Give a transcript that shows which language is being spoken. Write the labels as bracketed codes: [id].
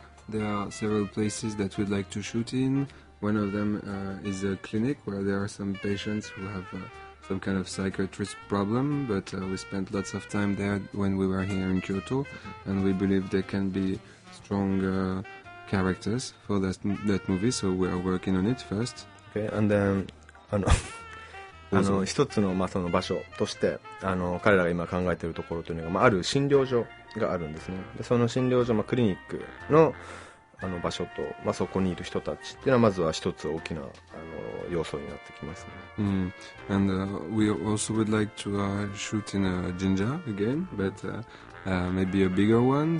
[en] there are several places that we'd like to shoot in. One of them is a clinic where there are some patients who have some kind of psychiatric problem, but we spent lots of time there when we were here in Kyoto, and we believe there can be strong characters for that movie, so we are working on it first. Okay, and then... [ja] あの一つの、まあ、その場所としてあの彼らが今考えているところというのが、まあ、ある診療所があるんですね。でその診療所、まあ、クリニック の, あの場所と、まあ、そこにいる人たちというのはまずは一つ大きなあの要素になってきますね。 [en] うん、and we also would like to shoot in a ginger again, but maybe a bigger one.